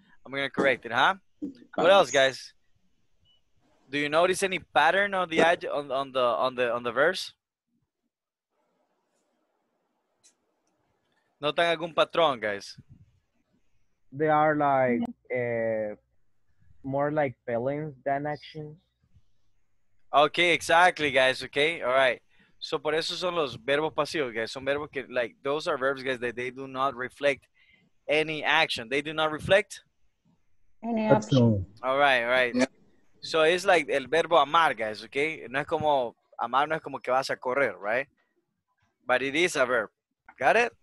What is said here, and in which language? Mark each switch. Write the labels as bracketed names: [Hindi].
[English] I'm gonna correct it, huh? What else, guys? Do you notice any pattern on the verse? [Spanish] Notan algún patrón, guys? [English] They are like more like feelings than actions. Okay, exactly, guys. Okay, all right. [Spanish] So, por eso son los verbos pasivos, guys. Son verbos que, [English] like, those are verbs, guys, that they do not reflect any action. They do not reflect? Any action. All right. Yeah. So, it's like [Spanish] el verbo amar, [English] guys, okay? [Spanish] No es como, amar no es como que vas a correr, right? [English] But it is a verb. Got it?